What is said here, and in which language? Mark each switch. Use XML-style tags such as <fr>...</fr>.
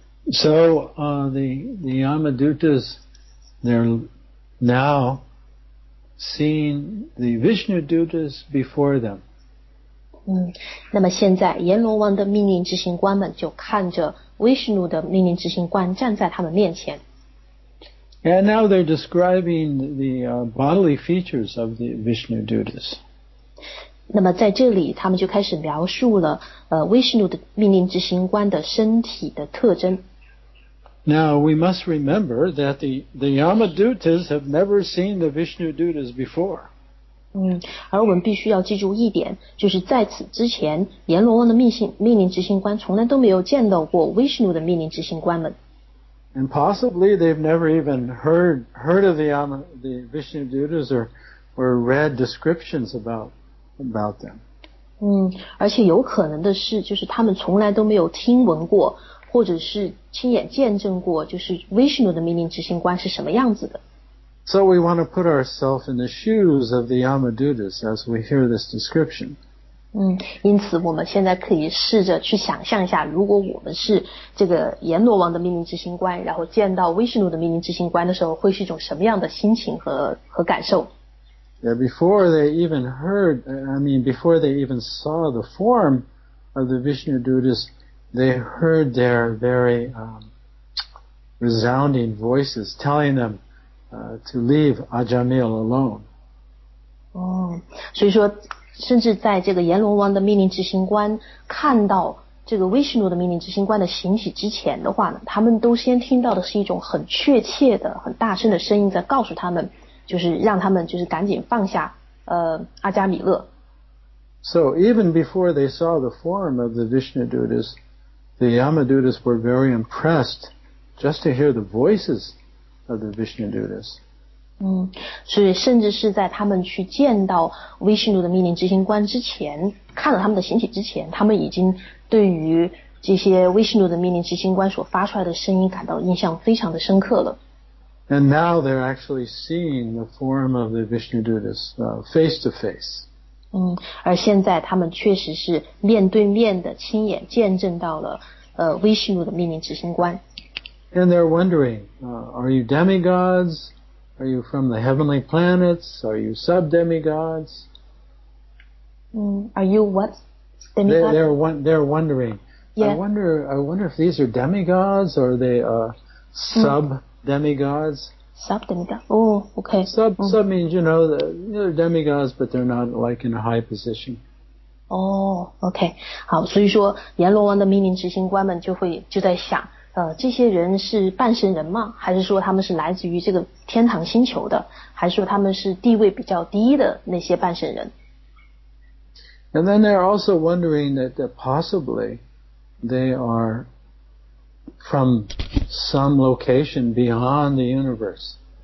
<en>So the Yamadutas, they're now seeing the Vishnu Dutas before them.</en> <zh>嗯，那么现在阎罗王的命令执行官们就看着维什努的命令执行官站在他们面前。</zh> <en>And now they're describing the bodily features of the Vishnu Dutas.</en> <zh>那么在这里，他们就开始描述了维什努的命令执行官的身体的特征。</zh> <en>Now we must remember that the Yamadutas have never seen the Vishnu Dutas before.</en> <zh>嗯，而我们必须要记住一点，就是在此之前，阎罗王的命令执行官从来都没有见到过维什努的命令执行官们。</zh> <en>And possibly they've never even heard of the Vishnu Dutas or read descriptions about them.</en> <zh>嗯，而且有可能的是，就是他们从来都没有听闻过，或者是亲眼见证过，就是维什努的命令执行官是什么样子的。</zh> <en>So we want to put ourselves in the shoes of the Yamadutas as we hear this description.</en> <zh>嗯，因此我们现在可以试着去想象一下，如果我们是这个阎罗王的命令执行官，然后见到维什努的命令执行官的时候，会是一种什么样的心情和感受？</zh> <en>Yeah, before they even heard, before they even saw the form of the Vishnu Dutas, they heard their very resounding voices telling them. To leave Ajamil alone.</en> <zh>所以说，甚至在这个阎罗王的命令执行官看到这个维什努的命令执行官的形体之前的话呢，他们都先听到的是一种很确切的、很大声的声音在告诉他们，就是让他们就是赶紧放下阿加米勒。</zh> <en>So even before they saw the form of the Vishnu Dutas, the Yamadutas were very impressed just to hear the voices. Of the Vishnu Dutas.</en> <zh>所以甚至是在他们去见到维什努的命令执行官之前，看到他们的形体之前，他们已经对于这些维什努的命令执行官所发出来的声音感到印象非常的深刻了。</zh> <en>And now they're actually seeing the form of the Vishnu Dutas face to face.</en> <zh>而现在他们确实是面对面的亲眼见证到了维什努的命令执行官。</zh> <en>And they're wondering, are you demigods? Are you from the heavenly planets? Are you sub-demigods? Are you what? Demigods? They're wondering. Yeah. I wonder if these are demigods or are they sub-demigods? Sub-demigods. Oh, okay. Sub means, you know, they're demigods, but they're not like in a high position. OK.</en> <zh>好，所以说阎罗王的命令执行官们就在想。这些人是半神人吗？还是说他们是来自于这个天堂星球的？还是说他们是地位比较低的那些半神人</zh> <en>？And then they're also wondering that possibly they are from some location beyond the universe.</en>